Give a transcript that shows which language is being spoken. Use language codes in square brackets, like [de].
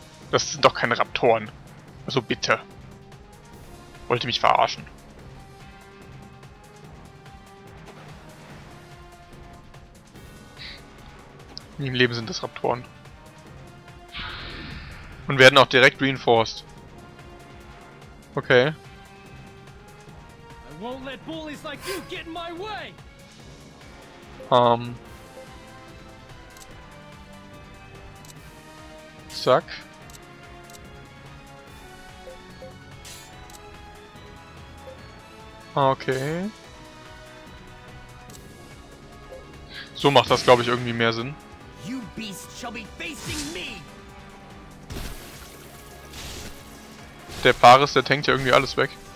[de] Das sind doch keine Raptoren. Also bitte. Wollte mich verarschen. Im Leben sind das Raptoren. Und werden auch direkt reinforced. Okay. [en] Won't let bullies like you get in my way. [de] Zack. Okay. So macht das, glaube ich, irgendwie mehr Sinn. [en] You beast shall be facing me. [de] Der Paris, der tankt ja irgendwie alles weg.